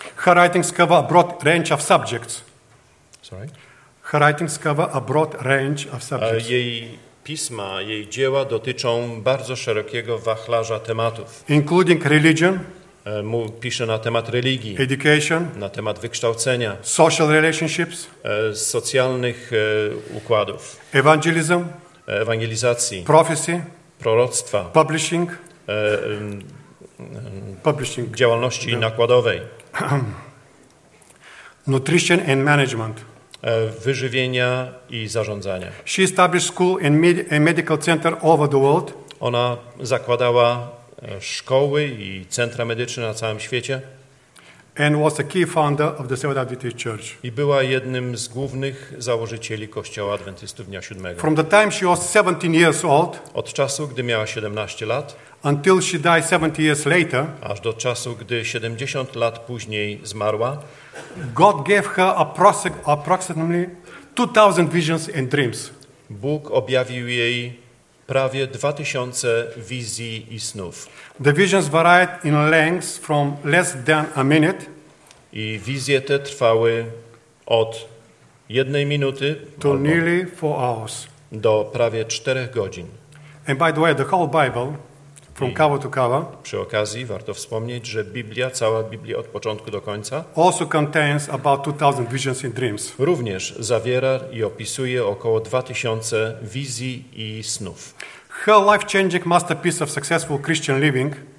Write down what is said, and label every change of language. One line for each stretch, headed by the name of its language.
English: Her writings cover a broad range of subjects. Sorry. Her writings cover a broad range of subjects.
Polish: Jej pisma, jej dzieła dotyczą bardzo szerokiego wachlarza tematów.
English: Including religion.
Polish: Pisze na temat religii.
English: Education.
Polish: Na temat wykształcenia.
English: Social relationships.
Polish: Socjalnych układów.
English: Evangelism.
Polish: Ewangelizacji.
English: Prophecy.
Polish: Proroctwa.
English: Publishing. Publishing.
Polish: Działalności nakładowej.
English: Nutrition and management.
Polish: Wyżywienia i zarządzania.
English: She established school and medical center over the world.
Polish: Ona zakładała szkoły i centra medyczne na całym świecie.
English: And was a key founder of the Seventh Adventist Church.
Polish: I była jednym z głównych założycieli Kościoła Adwentystów Dnia Siódmego.
English: From the time she was 17 years old.
Polish: Od czasu, gdy miała 17 lat.
English: Until she died 70 years later.
Polish: Aż do czasu, gdy 70 lat później zmarła.
English: God gave her approximately 2,000 visions and dreams.
Polish: Bóg objawił jej prawie 2,000 wizji i snów.
English: The visions varied in length from less than a minute.
Polish: I wizje te trwały od jednej minuty
English: to nearly 4 hours.
Polish: Do prawie 4 godzin.
English: And by the way, the whole Bible. From cover to cover.
Polish: Przy okazji warto wspomnieć, że Biblia, cała Biblia od początku do końca,
English: also contains about 2,000 visions and dreams.
Polish: Również zawiera i opisuje około 2,000 wizji i snów.
English: Her life-changing masterpiece of successful Christian living.